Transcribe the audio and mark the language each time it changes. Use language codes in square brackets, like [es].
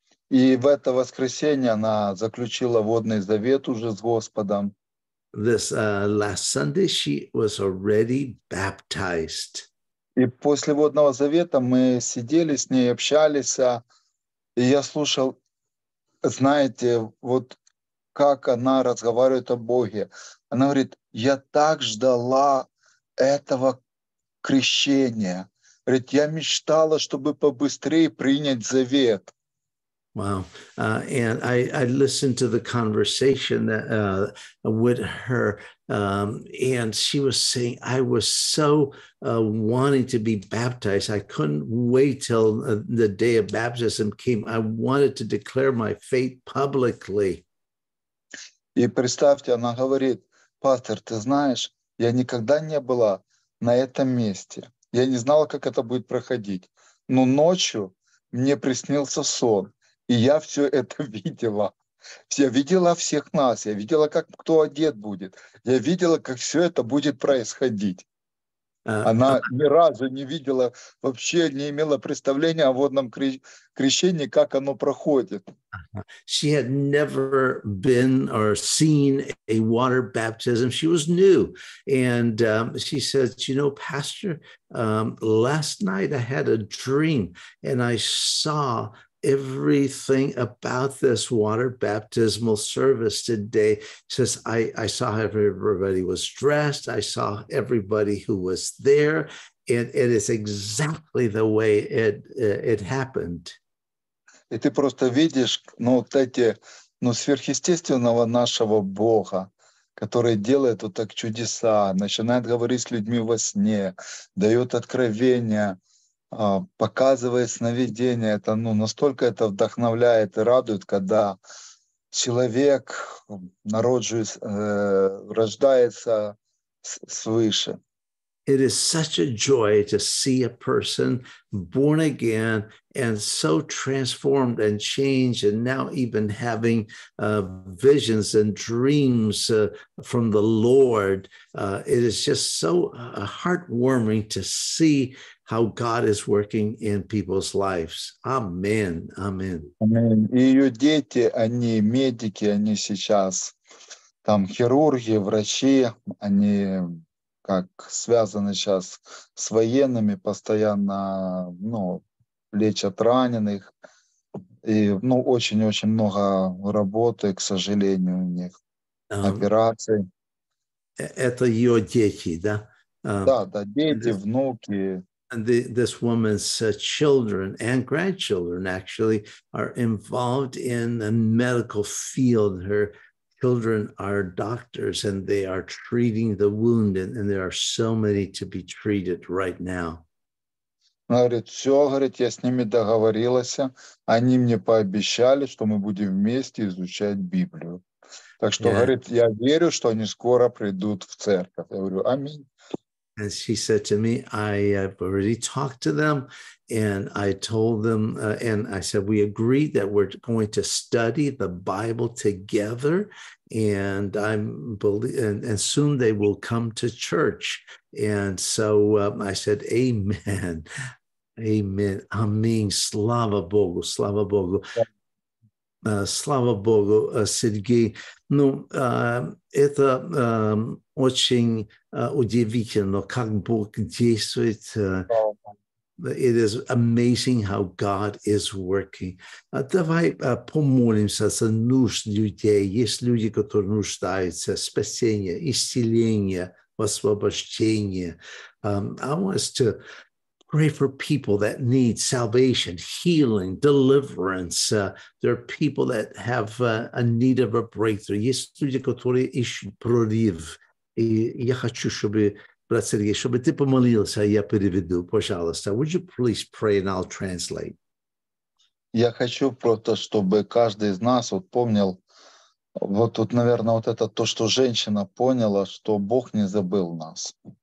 [ru] И в это воскресенье она заключила водный завет уже с Господом. [en] This last Sunday she was already baptized. [ru] И после водного завета мы сидели с ней, общались, и я слушал, знаете, вот как она разговаривает о Боге. Она говорит, я так ждала этого крещения. Говорит, я мечтала, чтобы побыстрее принять завет. [en] Wow. And I listened to the conversation that, with her, and she was saying, I was so wanting to be baptized. I couldn't wait till the day of baptism came. I wanted to declare my faith publicly. [ru] И представьте, она говорит, пастор, ты знаешь, я никогда не была на этом месте. Я не знала, как это будет проходить. Но ночью мне приснился сон. И я все это видела. Я видела всех нас. Я видела, как кто одет будет. Я видела, как все это будет происходить. Она ни разу не видела, вообще не имела представления о водном крещении, как оно проходит. [en] She had never been or seen a water baptism. She was new. And she says, you know, pastor, last night I had a dream and I saw everything about this water baptismal service today. Says I saw how everybody was dressed. I saw everybody who was there, and it is exactly the way it happened. [ru] И ты просто видишь, ну вот эти, ну сверхъестественного нашего Бога, который делает вот так чудеса, начинает говорить с людьми во сне, дает откровения. Показывает сновидение, это, ну, настолько это вдохновляет и радует, когда человек рождается свыше. [en] It is such a joy to see a person born again and so transformed and changed, and now even having visions and dreams from the Lord. It is just so heartwarming to see how God is working in people's lives. Amen. Amen. Amen. [ru] Ее дети, они медики, они сейчас там хирурги, врачи, они как связаны сейчас с военными, постоянно, ну, лечат раненых. И, ну, очень-очень много работы, к сожалению, у них, операций. Это ее дети, да? Да, да, дети, внуки. [en] And this woman's children and grandchildren actually are involved in the medical field. Her children are doctors, and they are treating the wound, and there are so many to be treated right now. [ru] Говорит, все, говорит, я с ними договорилась. Они мне пообещали, что мы будем вместе изучать Библию. Так что, говорит, я верю, что они скоро придут в церковь. Я говорю, аминь. [en] And she said to me, I have already talked to them, and I told them, and I said, we agreed that we're going to study the Bible together, and I'm, and soon they will come to church. And so I said, amen, amen, amen, [ru] slava Bogu, slava Bogu. Слава Богу, Сергей. Ну, это очень удивительно, как Бог действует. [en] It is amazing how God is working. [ru] Давай помолимся за нужд людей. Есть люди, которые нуждаются в спасении, исцелении, в освобождении. [en] I want to pray for people that need salvation, healing, deliverance. There are people that have a need of a breakthrough. [ru] Есть люди, которые ищут прорыв. И я хочу, чтобы, брат Сергей, чтобы ты помолился, я переведу, пожалуйста. [en] Would you please pray and I'll translate? [ru] Я хочу просто, чтобы каждый из нас вот помнил, вот тут, наверное, вот это то, что женщина поняла, что Бог не забыл нас.